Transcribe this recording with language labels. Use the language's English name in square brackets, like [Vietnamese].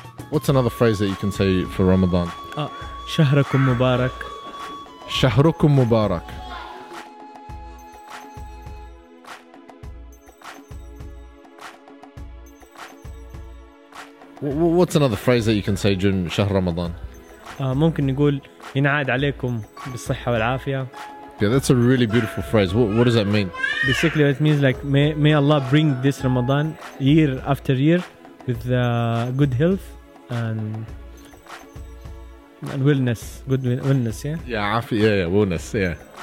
[English] What's another phrase that you can say for Ramadan? [Arabic] شهركم مبارك. شهركم مبارك. [English] What's another phrase that you can say during شهر رمضان? [Arabic] ممكن نقول ينعاد عليكم بالصحة والعافية. [English] Yeah, that's a really beautiful phrase. What does that mean? Basically, it means like may Allah bring this Ramadan year after year with good health. And wellness, good wellness, yeah? Yeah, wellness, yeah.